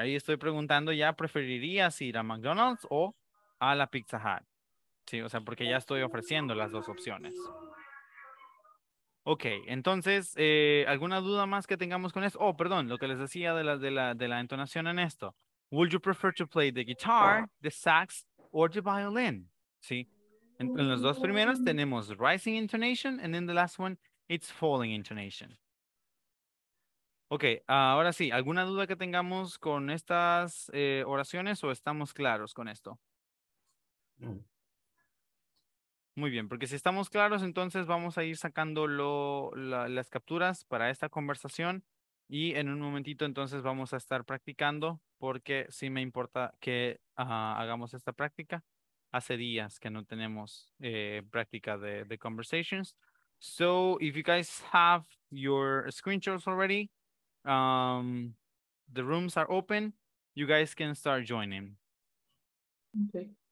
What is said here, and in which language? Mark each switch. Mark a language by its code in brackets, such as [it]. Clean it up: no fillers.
[es] Ahí estoy preguntando, ¿ya preferirías ir a McDonald's o a la Pizza Hut? Sí, o sea, porque ya estoy ofreciendo las dos opciones. Ok, entonces, ¿alguna duda más que tengamos con esto? Oh, perdón, lo que les decía de la entonación en esto. [en] Would you prefer to play the guitar, the sax, or the violin? [es] Sí, en los dos primeros tenemos [en] rising intonation, and in the last one, it's falling intonation. [es] Ok, ahora sí, ¿alguna duda que tengamos con estas oraciones o estamos claros con esto? No. Muy bien, porque si estamos claros, entonces vamos a ir sacando las capturas para esta conversación y en un momentito entonces vamos a estar practicando, porque sí me importa que hagamos esta práctica. Hace días que no tenemos práctica de conversations. [en] So, if you guys have your screenshots already, the rooms are open, you guys can start joining. Okay.